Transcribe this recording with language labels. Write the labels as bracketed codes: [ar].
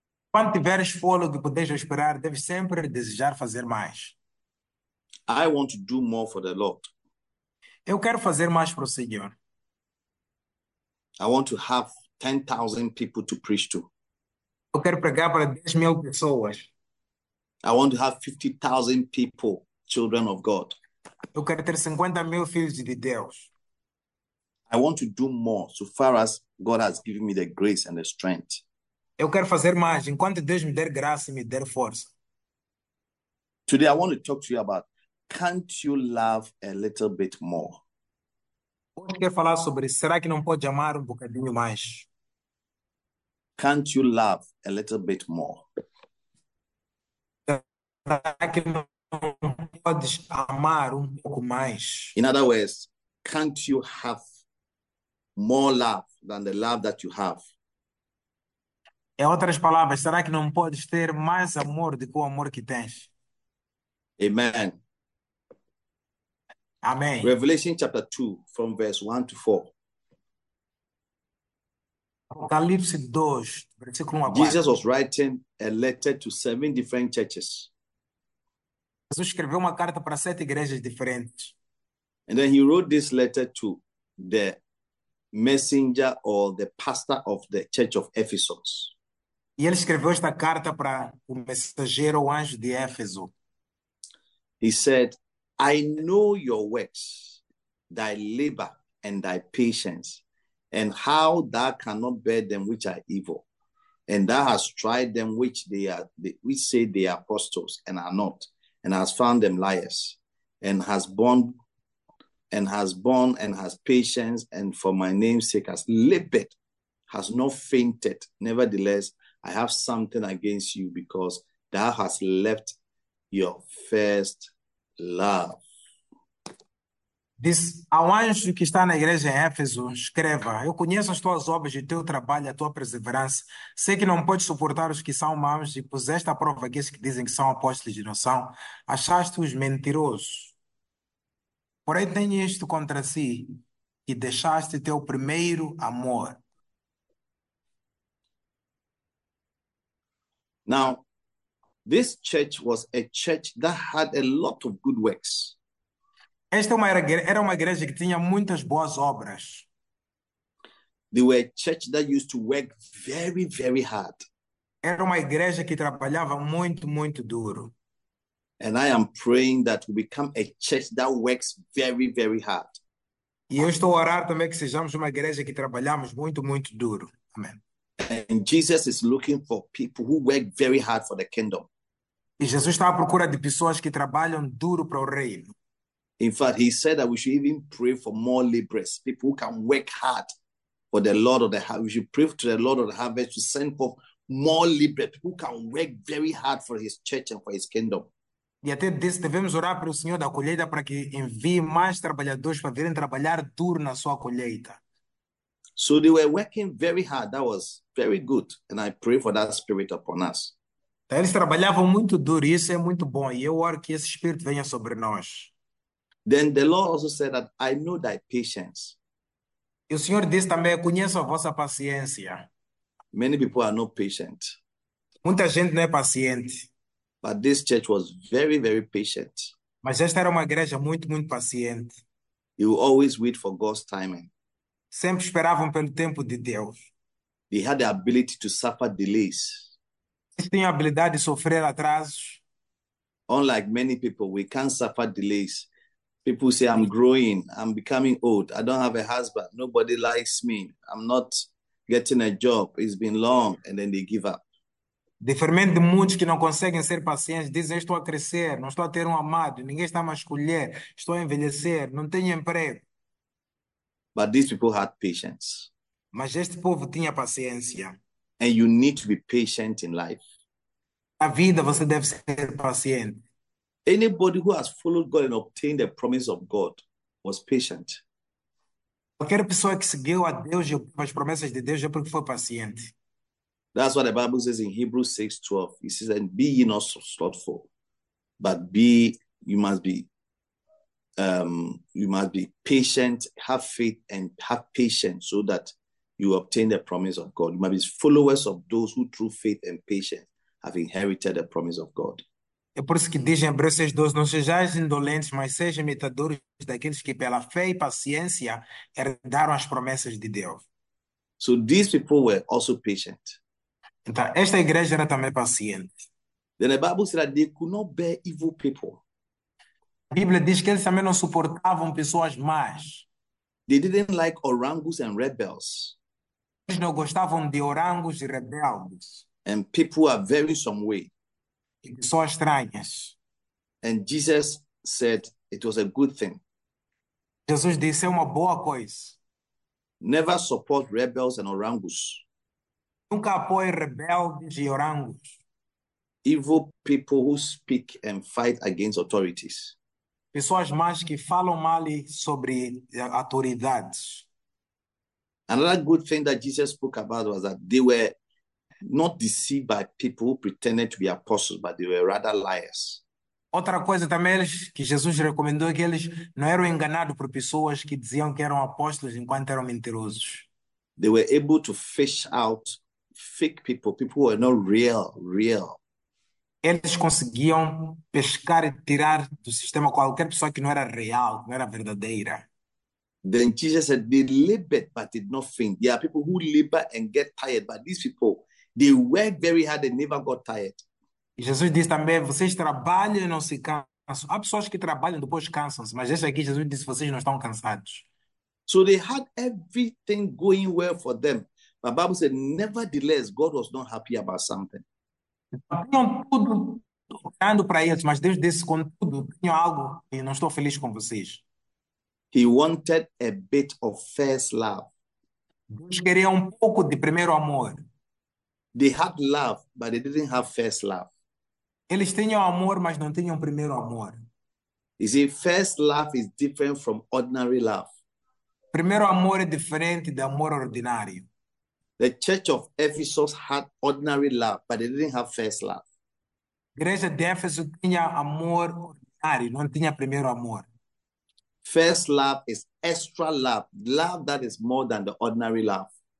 [pt] Quando tiveres fôlego e puderes esperar, deve sempre desejar fazer mais. [en] I want to do more for the Lord. [pt] Eu quero fazer mais para o Senhor. [en] I want to have 10,000 people to preach to. [pt] Eu quero pregar para 10 mil pessoas. [en] I want to have 50,000 people, children of God. [pt] Eu quero ter 50 mil filhos de Deus. [en] I want to do more so far as God has given me the grace and the strength. [pt] Eu quero fazer mais enquanto Deus me der graça e me der força. [en] Today I want to talk to you about, can't you love a little bit more? [pt] Hoje quero falar sobre, será que não pode amar um bocadinho mais? [en] Can't you love a little bit more? [pt] Será que não podes amar um pouco mais? [en] In other words, can't you have more love than the love that you have? [pt] Em outras palavras, será que não podes ter mais amor do que o amor que tens? [en] Amen. [pt] Amém. [en] Revelation chapter 2, from verse 1 to 4. [pt] Apocalipse 2, versículo 1 a 4. [en] Jesus was writing a letter to 7 different churches. [pt] Jesus escreveu uma carta para 7 igrejas diferentes. [en] And then he wrote this letter to the messenger or the pastor of the church of Ephesus. [pt] E ele escreveu esta carta para o mensageiro, o anjo de Éfeso. [en] He said, I know your works, thy labor and thy patience, and how thou cannot bear them which are evil, and thou hast tried them which they are, which say they are apostles and are not, and hast found them liars, and hast borne and has patience, and for my name's sake has labored, has not fainted. Nevertheless, I have something against you because thou hast left your first love. [pt] Disse ao anjo que está na igreja em Éfeso: escreva, eu conheço as tuas obras e o teu trabalho, a tua perseverança. Sei que não podes suportar os que são maus e puseste à prova aqueles que dizem que são apóstolos de noção. Achaste-os mentirosos. Porém, tenho isto contra si, que deixaste teu primeiro amor. [en] Now, this church was a church that had a lot of good works. [pt] Esta era uma igreja que tinha muitas boas obras. [en] They were a church that used to work very, very hard. [pt] Era uma igreja que trabalhava muito, muito duro. [en] And I am praying that we become a church that works very, very hard. [pt] E eu estou a orar também que sejamos uma igreja que trabalhamos muito, muito duro. Amém. [en] And Jesus is looking for people who work very hard for the kingdom. [pt] E Jesus está à procura de pessoas que trabalham duro para o reino. [en] In fact, he said that we should even pray for more laborers, people who can work hard for the Lord of the harvest. We should pray to the Lord of the harvest to send forth more laborers, people who can work very hard for his church and for his kingdom. [pt] E até disse, devemos orar para o Senhor da colheita para que envie mais trabalhadores para virem trabalhar duro na sua colheita. [en] So they were working very hard. That was very good. And I pray for that spirit upon us. [pt] Então, eles trabalhavam muito duro e isso é muito bom. E eu oro que esse Espírito venha sobre nós. [en] Then the Lord also said that I know thy patience. [pt] E o Senhor disse também, conheço a vossa paciência. [en] Many people are not patient. [pt] Muita gente não é paciente. [en] But this church was very, very patient. [pt] Mas esta era uma igreja muito, muito paciente. [en] You always wait for God's timing. [pt] Sempre esperavam pelo tempo de Deus. [en] They had the ability to suffer delays. [pt] Eles tinham a habilidade de sofrer atrasos. [en] Unlike many people, we can't suffer delays. People say, I'm growing, I'm becoming old, I don't have a husband, nobody likes me, I'm not getting a job, it's been long, and then they give up. [pt] Diferente de muitos que não conseguem ser pacientes, dizem: estou a crescer, não estou a ter um amado, ninguém está a me escolher, estou a envelhecer, não tenho emprego. [en] But these people had patience. [pt] Mas este povo tinha paciência. [en] And you need to be patient in life. [pt] A vida você deve ser paciente. [en] Anybody who has followed God and obtained the promise of God was patient. [pt] Qualquer pessoa que seguiu a Deus e as promessas de Deus é porque foi paciente. [en] That's what the Bible says in Hebrews 6:12. It says, and be ye not slothful, but be you must be patient, have faith, and have patience so that you obtain the promise of God. You might be followers of those who through faith and patience have inherited the promise of God. [pt] É por isso que dizem em Hebreus 12: não sejais indolentes, mas sejam imitadores daqueles que pela fé e paciência herdaram as promessas de Deus. [en] So these people were also patient. [pt] Então, esta igreja era também paciente. [en] Then the Bible said that they could not bear evil people. [pt] A Bíblia diz que eles também não suportavam pessoas más. [en] They didn't like orangus and rebels. [pt] Eles não gostavam de orangos e rebeldes. [en] And people are very some way. [pt] Só estranhas. [en] And Jesus said it was a good thing. [pt] Jesus disse: é uma boa coisa. [en] Never support rebels and orangus. [pt] Nunca apoie rebeldes e orangos. [en] Evil people who speak and fight against authorities. [pt] Pessoas más que falam mal sobre autoridades. [en] Another good thing that Jesus spoke about was that they were not deceived by people who pretended to be apostles, but they were rather liars. [pt] Outra coisa também que Jesus recomendou é que eles não eram enganados por pessoas que diziam que eram apóstolos enquanto eram mentirosos. [en] They were able to fish out fake people, people who were not real, real. [pt] Eles conseguiam pescar e tirar do sistema qualquer pessoa que não era real, que não era verdadeira. [en] Then Jesus said, they labored but did not faint. There are people who labor and get tired, but these people, they work very hard and never got tired. [pt] Jesus disse também: vocês trabalham e não se cansam. Há pessoas que trabalham e depois cansam-se, mas esse aqui, Jesus disse: vocês não estão cansados. [en] So they had everything going well for them. But the Bible said, nevertheless, God was not happy about something. [pt] Tinham tudo olhando para eles, mas Deus disse: contudo, tenho algo e não estou feliz com vocês. [en] He wanted a bit of first love. [pt] Deus queria um pouco de primeiro amor. [en] They had love, but they didn't have first love. [pt] Eles tinham amor, mas não tinham primeiro amor. [en] You see, first love is different from ordinary love. [pt] Primeiro amor é diferente de amor ordinário. [en] The church of Ephesus had ordinary love, but they didn't have first love. [pt] Igreja de Éfeso tinha amor ordinário, não tinha primeiro amor. [en] First love is extra love, love that is more than the ordinary love.